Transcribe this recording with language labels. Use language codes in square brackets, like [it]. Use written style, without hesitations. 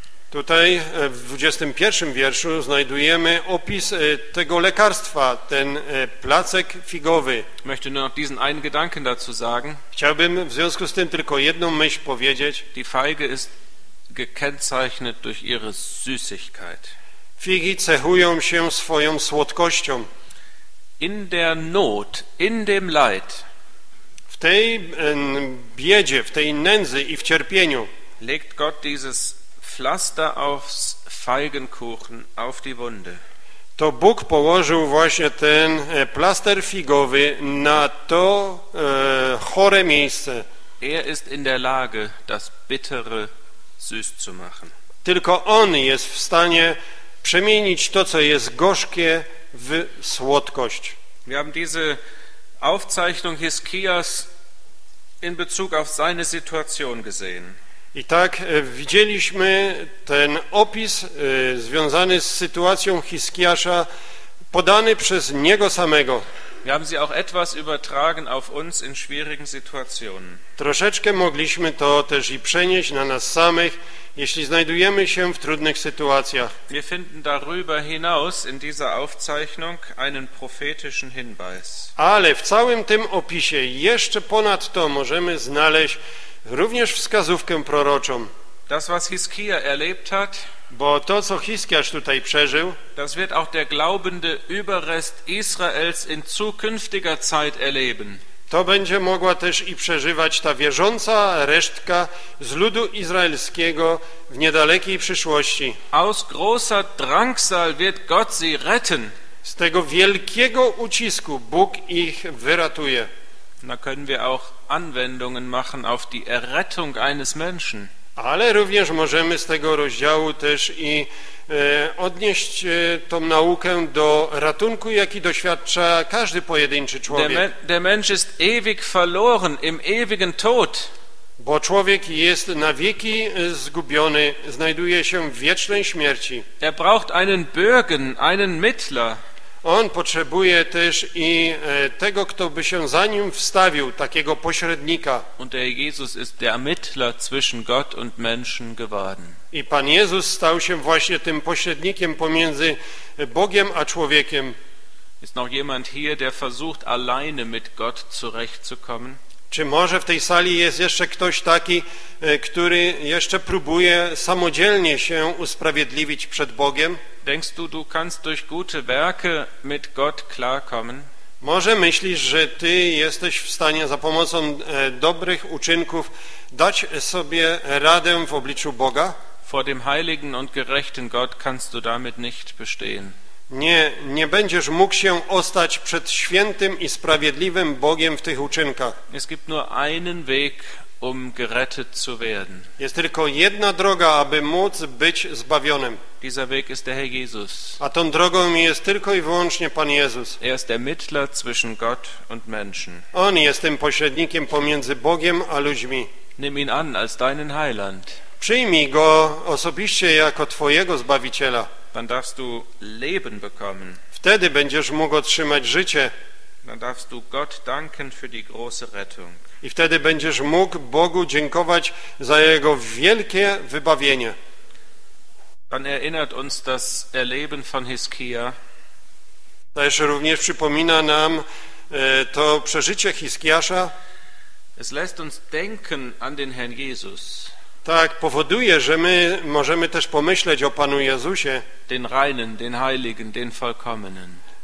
[pl] Tutaj w 21 wierszu znajdujemy opis tego lekarstwa, ten placek figowy. [de] Möchte nur noch diesen einen Gedanken dazu sagen. [pl] Chciałbym w związku z tym tylko jedną myśl powiedzieć. [de] Die Feige ist gekennzeichnet durch ihre Süßigkeit. [pl] Figi cechują się swoją słodkością. [de] In der Not, in dem Leid. [pl] W tej biedzie, w tej nędzy i w cierpieniu. [de] Legt Gott dieses Pflaster aufs Feigenkuchen, auf die Wunde. [pl] To Bóg położył właśnie ten plaster figowy na to chore miejsce. [de] Er ist in der Lage, das Bittere süß zu machen. [pl] Tylko on jest w stanie przemienić to, co jest gorzkie, w słodkość. [de] Wir haben diese Aufzeichnung Hiskias in Bezug auf seine Situation gesehen. [pl] I tak widzieliśmy ten opis związany z sytuacją Hiskiasza podany przez niego samego. [de] Wir haben sie auch etwas übertragen auf uns in schwierigen Situationen. [pl] Troszeczkę mogliśmy to też i przenieść na nas samych, jeśli znajdujemy się w trudnych sytuacjach. [de] Wir finden darüber hinaus in dieser Aufzeichnung einen prophetischen Hinweis. [pl] Ale w całym tym opisie jeszcze ponad to możemy znaleźć również wskazówkę proroczą. [de] Das, was Hiskia erlebt hat, [pl] bo to, co Hiskiasz tutaj przeżył, [de] das wird auch der glaubende Überrest Israels in zukünftiger Zeit erleben. [pl] To będzie mogła też i przeżywać ta wierząca resztka z ludu izraelskiego w niedalekiej przyszłości. [de] Aus großer Drangsal wird Gott sie retten. [pl] Z tego wielkiego ucisku Bóg ich wyratuje. [de] Da können wir auch Anwendungen machen auf die Errettung eines Menschen. [pl] Ale również możemy z tego rozdziału też i odnieść tą naukę do ratunku, jaki doświadcza każdy pojedynczy człowiek. [de] Der Mensch ist ewig verloren im ewigen Tod. [pl] Bo człowiek jest na wieki zgubiony, znajduje się w wiecznej śmierci. [de] Er braucht einen Bürgen, einen Mittler. [pl] On potrzebuje też i tego, kto by się za nim wstawił, takiego pośrednika. [de] Und der Jesus ist der Mittler zwischen Gott und Menschen geworden. [pl] I Pan Jezus stał się właśnie tym pośrednikiem pomiędzy Bogiem a człowiekiem. [de] Ist noch jemand hier, der versucht alleine mit Gott zurechtzukommen? [pl] Czy może w tej sali jest jeszcze ktoś taki, który jeszcze próbuje samodzielnie się usprawiedliwić przed Bogiem? [de] Denkst du, du kannst durch gute Werke mit Gott klarkommen? [pl] Może myślisz, że ty jesteś w stanie za pomocą dobrych uczynków dać sobie radę w obliczu Boga? [de] Vor dem heiligen und gerechten Gott kannst du damit nicht bestehen. [pl] Nie, nie będziesz mógł się ostać przed świętym i sprawiedliwym Bogiem w tych uczynkach. [de] Es gibt nur einen Weg, um gerettet zu werden. [pl] Jest tylko jedna droga, aby móc być zbawionym. [de] Dieser Weg ist der Herr Jesus. [pl] A tą drogą jest tylko i wyłącznie Pan Jezus. [de] Er ist der Mittler zwischen Gott und Menschen. [pl] On jest tym pośrednikiem pomiędzy Bogiem a ludźmi. [de] Nimm ihn an als deinen Heiland. [pl] Przyjmij go osobiście jako twojego Zbawiciela. [de] Dann darfst du Leben bekommen. [pl] Wtedy będziesz mógł otrzymać życie. [de] Dann darfst du Gott danken für die große Rettung. [pl] I wtedy będziesz mógł Bogu dziękować za jego wielkie wybawienie. [de] Dann erinnert uns das Erleben von Hiskia. [pl] Też również przypomina nam to przeżycie Hiskiasza. [de] Es lässt uns denken an den Herrn Jesus. [pl] Tak, powoduje, że my możemy też pomyśleć o Panu Jezusie. [de] Den reinen, den heiligen, den vollkommenen.